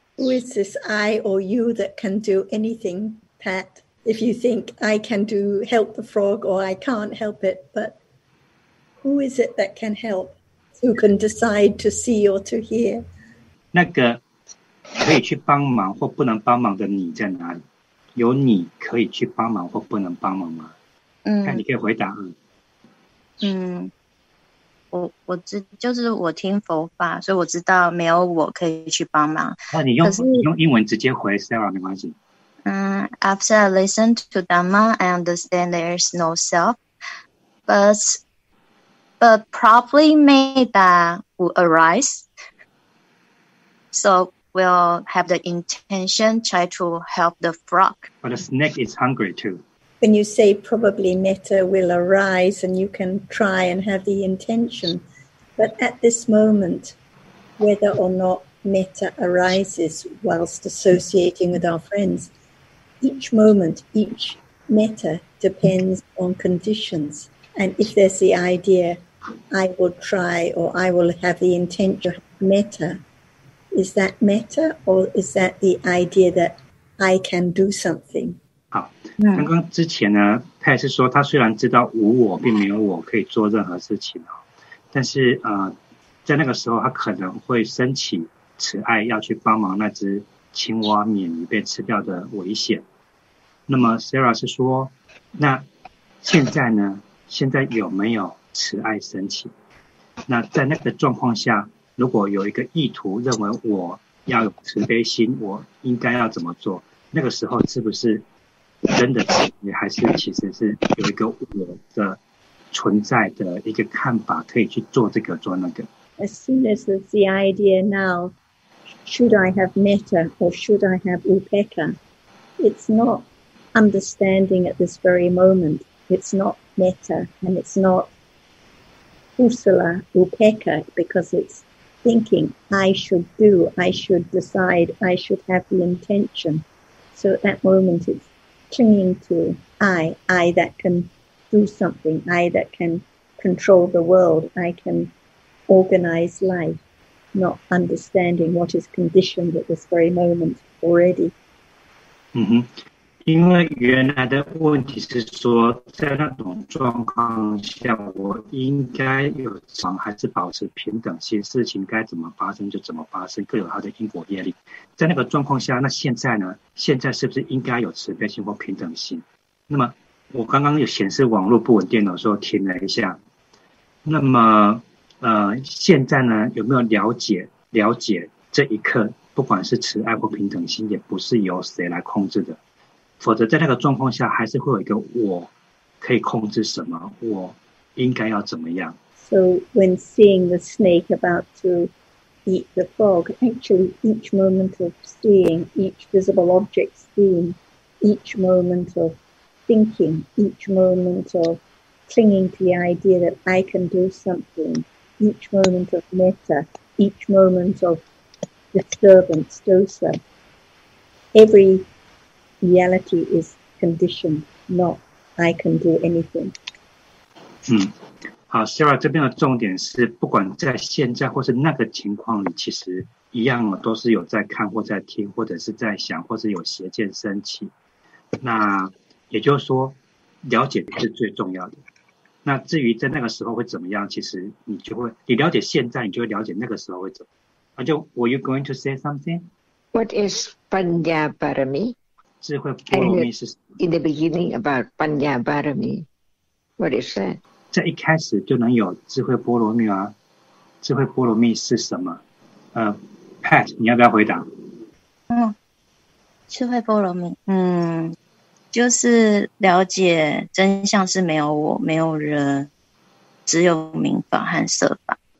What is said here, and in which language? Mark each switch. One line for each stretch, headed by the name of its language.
English: Who is this I or you that can do anything, Pat? If you think I can do help the frog or I can't help it, but who is it that can help? Who can decide to see or to hear?
Chinese: 那个可以去帮忙或不能帮忙的你在哪里？有你可以去帮忙或不能帮忙吗？看你可以回答啊。我听佛法，所以我知道没有我可以去帮忙。那可是，你用英文直接回 Sarah 没关系。
English: after I listened to Dhamma, I understand there is no self, but probably metta will arise. So we'll have the intention try to help the frog. But a snake is hungry too. When you say probably metta will arise and you can try and have the intention, but at this moment, whether or not metta arises whilst associating with our friends, each moment, each metta depends on conditions. And if there's the idea, I will try or I will have the intention of metta, is that metta or is that the idea that I can do something?
Chinese: 刚刚之前呢，他也是说，他虽然知道无我，并没有我可以做任何事情哦，但是在那个时候，他可能会升起慈爱，要去帮忙那只青蛙免于被吃掉的危险。那么 Sarah 是说，那现在呢？现在有没有慈爱升起？那在那个状况下，如果有一个意图认为我要有慈悲心，我应该要怎么做？那个时候是不是？真的慈悲，还是其实是有一个我的存在的一个看法，可以去做这个做那个。
English: As soon as there's the idea now, should I have metta or should I have upekkha? It's not understanding at this very moment. It's not metta and it's not kusala upekkha because it's thinking, I should do, I should decide, I should have the intention. So at that moment, it's clinging to I that can do something, I that can control the world, I can organize life, not understanding what is conditioned at this very moment already. Mm-hmm.
Chinese: 因为原来的问题是说，在那种状况下，我应该有什么，还是保持平等心，事情该怎么发生就怎么发生，各有它的因果业力。在那个状况下，那现在呢？现在是不是应该有慈悲心或平等心？那么我刚刚有显示网络不稳定的时候停了一下，那么现在呢，有没有了解这一刻，不管是慈爱或平等心，也不是由谁来控制的。否则在那个状况下还是会有一个我可以控制什么，我应该要怎么样。
English: So when seeing the snake about to eat the frog, actually each moment of seeing, each visible object seen, each moment of thinking, each moment of clinging to the idea that I can do something, each moment of metta, each moment of disturbance, dosa, everyReality is conditioned, not I can do anything.
Chinese: 嗯，好 ，Sarah， 这边的重点是，不管在现在或是那个情况里，其实一样哦，都是有在看或在听，或者是在想，或者有邪见升起。那也就是说，了解是最重要的。那至于在那个时候会怎么样，其实你就会，你了解现在，你就会了解那个时候会怎么样。那就 ，
English: Were you going to say something? What is Panyabarami?
Chinese: 智慧波罗蜜是什么
English: ？In the beginning about Panyabarami, what is that?
Chinese: 在一开始就能有智慧波罗蜜啊？智慧波罗蜜是什么？Pat， 你要不要回答？嗯，智慧波罗蜜，嗯，就是了解真相是没有我，没有人，只有明法和色法。